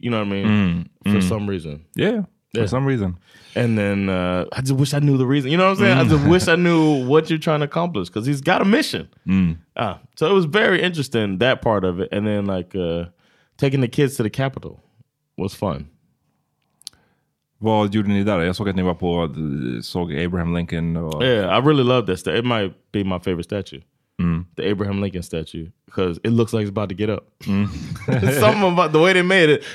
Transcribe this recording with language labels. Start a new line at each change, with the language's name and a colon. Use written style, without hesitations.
English: You know what I mean? For some reason. Yeah. For some reason. And then I just wish I knew the reason. You know what I'm saying? I just wish I knew what you're trying to accomplish. Because he's got a mission. So it was very interesting, that part of it. And then, like, taking the kids to the Capitol was fun.
Swedish: Vad gjorde ni där? Jag såg att ni var på, såg Abraham Lincoln. Och...
English: Yeah, I really love that. It might be my favorite statue. The Abraham Lincoln statue. Because it looks like it's about to get up. Something about the way they made it.